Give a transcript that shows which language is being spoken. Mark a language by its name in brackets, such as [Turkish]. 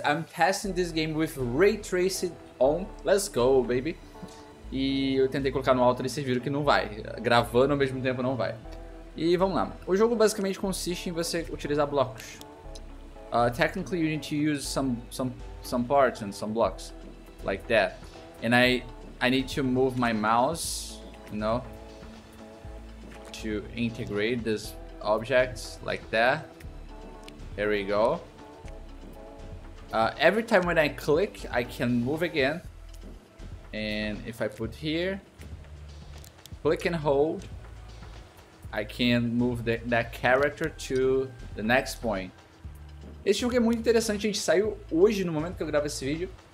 [English] I'm testing this game with Ray Trace on. Let's go, baby. [Portuguese] E eu tentei colocar no alto e vocês viram que não vai. Gravando ao mesmo tempo não vai. E vamos lá. O jogo basicamente consiste em você utilizar blocos. [English] Technically you need to use some parts and some blocks. Like that. And I need to move my mouse, you know, to integrate these objects like that. There we go. Every time when I click, I can move again. And if I put here, click and hold. I can move that character to the next point. [Portuguese] Esse jogo é muito interessante, a gente saiu hoje no momento que eu gravo esse vídeo.